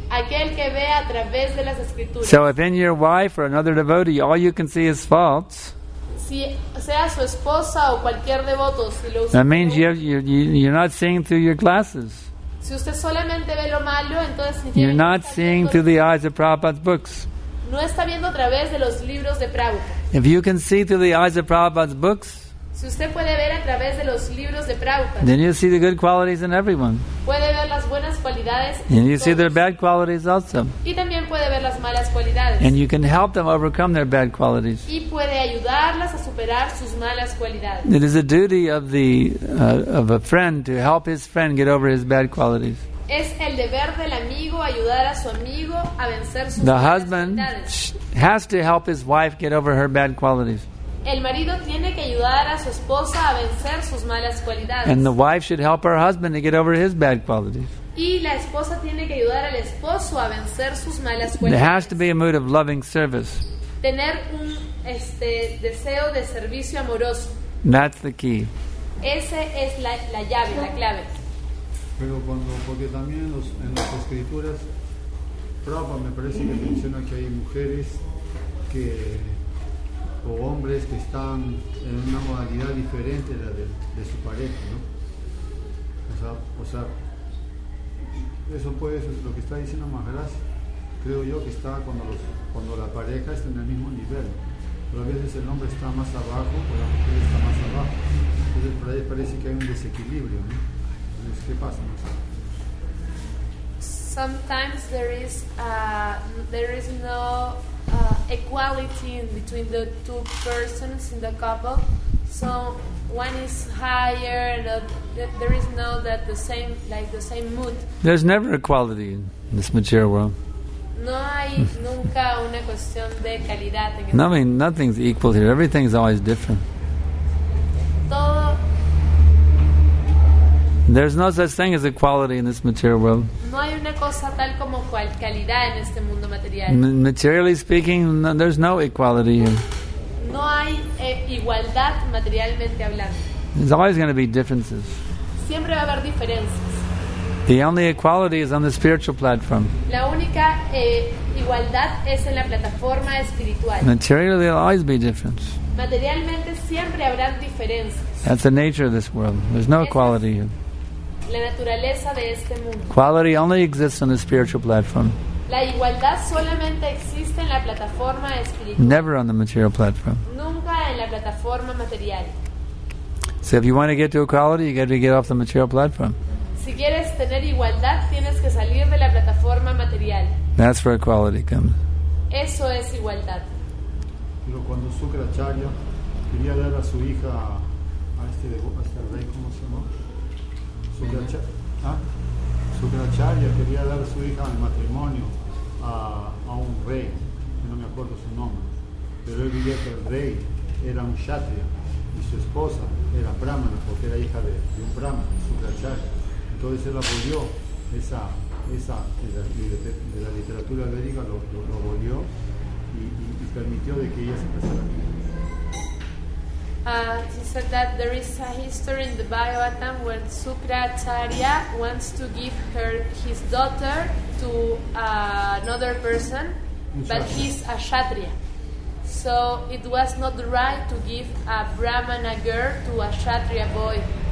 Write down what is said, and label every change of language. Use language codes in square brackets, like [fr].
[es] Aquel que ve a través de las Escrituras. [en] So if in your wife or another devotee, all you can see is faults, [es] si sea su esposa o cualquier devoto, si lo [en] that means you're not seeing through your glasses. [es] Si usted solamente ve lo malo, entonces [en] you're not seeing through the eyes of Prabhupada's books. [es] No está viendo a través de los libros de Prabhupada. [en] If you can see through the eyes of Prabhupada's books, [es] si usted puede ver a través de los libros de Prabhupada, [en] then you see the good qualities in everyone. [es] Puede ver las buenas cualidades en todos. [en] See their bad qualities also. [es] Y también puede ver las malas cualidades. [en] And you can help them overcome their bad qualities. [es] Y puede ayudarlas a superar sus malas cualidades. [en] It is a duty of the of a friend to help his friend get over his bad qualities. [es] Es el deber del amigo ayudar a su amigo a vencer sus [en] the husband has to help his wife get over her bad qualities. [es] El marido tiene que ayudar a su esposa a vencer sus malas cualidades. [en] And the wife should help her husband to get over his bad qualities. [es] Y la esposa tiene que ayudar al esposo a vencer sus malas cualidades. [en] There has to be a mood of loving service. [es] Tener un deseo de servicio amoroso. [en] That's the key. [es] Esa es la llave, la clave. Pero cuando, porque también en las escrituras, Prabhupada me parece que menciona que hay mujeres que o hombres que están en una modalidad diferente de la de su pareja, ¿no? O sea, eso puede ser lo que está diciendo Maharaj. Creo yo que está cuando la pareja está en el mismo nivel. Pero a veces el hombre está más abajo o la mujer está más abajo. Entonces por ahí parece que hay un desequilibrio, ¿no? Entonces, ¿qué pasa? [en] Sometimes there is no equality in between the two persons in the couple, so one is higher and there is no that the same, like the same mood. There's never equality in this material world. [es] No hay nunca una cuestión de calidad. [en] No, I mean, nothing's equal here. Everything's always different. [es] Todo. [en] There's no such thing as equality in this material world. [es] No hay una cosa tal como cual calidad en este mundo material. [en] Materially speaking, no, there's no equality here. [es] No hay igualdad materialmente hablando. [en] There's always going to be differences. [es] Siempre va a haber diferencias. [en] The only equality is on the spiritual platform. [es] La única igualdad es en la plataforma espiritual. [en] Materially, there'll always be difference. [es] Materialmente siempre habrá diferencias. [en] That's the nature of this world. There's no equality here. [es] La naturaleza de este mundo. [en] Quality only exists on the spiritual platform. [es] La igualdad solamente existe en la plataforma espiritual. [en] Never on the material platform. [es] Nunca en la plataforma material. [en] So if you want to get to equality, you got to get off the material platform. [es] Si quieres tener igualdad, tienes que salir de la plataforma material. [en] That's where equality comes. [es] Eso es igualdad. Pero cuando Sukracharya quería dar a su hija a este rey, ¿cómo se llama? Sukracharya quería dar a su hija en matrimonio a un rey, que no me acuerdo su nombre, pero él diría que el rey era un kshatriya y su esposa era brahmana, porque era hija de un brahmana, Sukracharya. Entonces él abolió esa de la literatura védica, lo abolió y permitió de que ella se casara. [en] He said that there is a history in the Bhagavatam when Sukracharya wants to give his daughter to another person, but he's a Kshatriya. So it was not right to give a Brahman a girl to a Kshatriya boy.